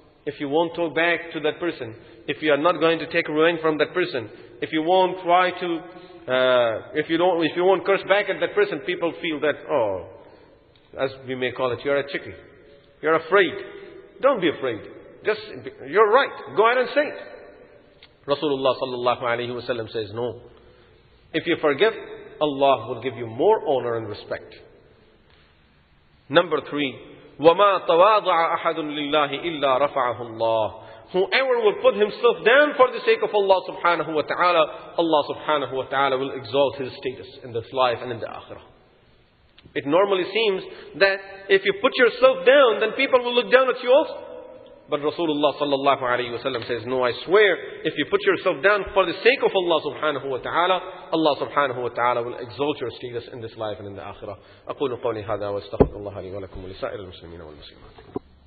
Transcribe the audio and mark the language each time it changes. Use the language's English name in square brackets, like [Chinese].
[English] If you won't talk back to that person, if you are not going to take revenge from that person, if you won't try to, if you won't curse back at that person, people feel that, oh, as we may call it, you're a chicken. You're afraid. Don't be afraid. Just, you're right. Go ahead and say it. Rasulullah sallallahu alayhi wa sallam says, no. If you forgive, Allah will give you more honor and respect. Number three, [Arabic] وَمَا تَوَاضَعَ أَحَدٌ لِلَّهِ إِلَّا رَفَعَهُ اللَّهِ. [English] Whoever will put himself down for the sake of Allah subhanahu wa ta'ala, Allah subhanahu wa ta'ala will exalt his status in this life and in the akhirah. It normally seems that if you put yourself down, then people will look down at you also. But Rasulullah sallallahu alayhi wa sallam says, no, I swear, if you put yourself down for the sake of Allah subhanahu wa ta'ala, Allah subhanahu wa ta'ala will exalt your status in this life and in the akhirah. [Arabic] أقول قولي هذا واستغفر الله لي ولكم ولسائر المسلمين والمسلمات.